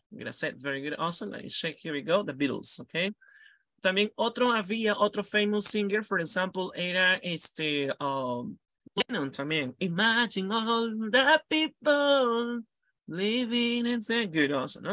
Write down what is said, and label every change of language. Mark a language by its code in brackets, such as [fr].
[en] That's it, very good, awesome, let me check, here we go, the Beatles, okay? [es] También otro había, otro [en] famous singer, for example, [es] era este, Lennon también. [en] Imagine all the people living in the, good, awesome, no?